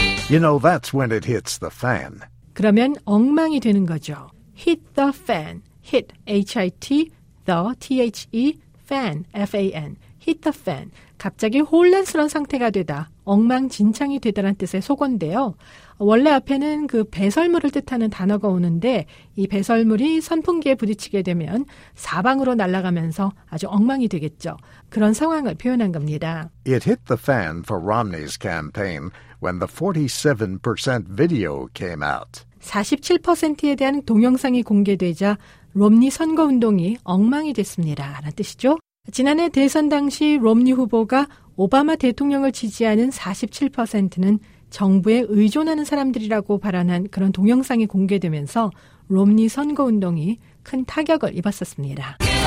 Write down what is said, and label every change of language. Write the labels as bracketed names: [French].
[English] You know that's when it hits the fan. [Korean] 그러면 엉망이 되는 거죠. [English] Hit the fan. Hit, H-I-T, the, T-H-E, fan, F-A-N. Hit the fan. [Korean] 갑자기 혼란스러운 상태가 되다, 엉망진창이 되다란 뜻의 속어인데요. 원래 앞에는 그 배설물을 뜻하는 단어가 오는데 이 배설물이 선풍기에 부딪히게 되면 사방으로 날아가면서 아주 엉망이 되겠죠. 그런 상황을 표현한 겁니다. [English] It hit the fan for Romney's campaign when the 47% video came out. [Korean] 47%에 대한 동영상이 공개되자 롬니 선거운동이 엉망이 됐습니다. 라는 뜻이죠. 지난해 대선 당시 롬니 후보가 오바마 대통령을 지지하는 47%는 정부에 의존하는 사람들이라고 발언한 그런 동영상이 공개되면서 롬니 선거운동이 큰 타격을 입었었습니다.